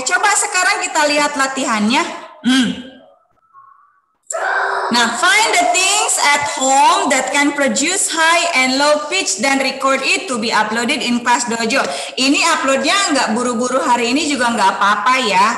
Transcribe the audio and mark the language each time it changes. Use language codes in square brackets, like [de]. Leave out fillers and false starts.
[id] Coba sekarang kita lihat latihannya. [en] Nah, find the things at home that can produce high and low pitch dan record it to be uploaded in Class Dojo. [id] Ini uploadnya nggak buru-buru hari ini juga nggak apa-apa ya.